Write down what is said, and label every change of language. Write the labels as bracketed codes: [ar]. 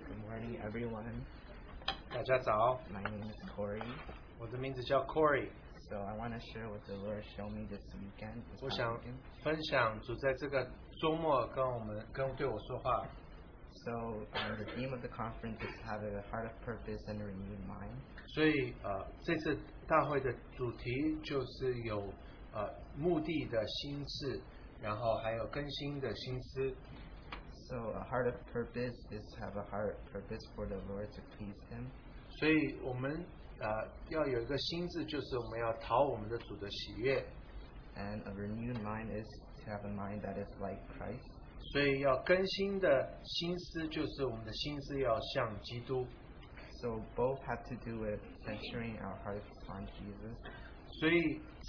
[en] My name is Corey. [zh] 我的名字叫 Corey. [en] So I want to share what the Lord showed me this weekend. [zh] 我想分享主在这个周末跟我们对我说话. [en] So the theme of the conference is have a heart of purpose and a renewed mind. [zh] 所以这次大会的主题就是有目的的心智，然后还有更新的心思. [en] So a heart of purpose is have a heart of purpose for the Lord to please Him. [zh] 所以我们要有一个心智，就是我们要讨我们的主的喜悦。 [en] And a renewed mind is to have a mind that is like Christ. [zh] 所以要更新的心思，就是我们的心思要像基督。 [en] So both have to do with centering our hearts on Jesus.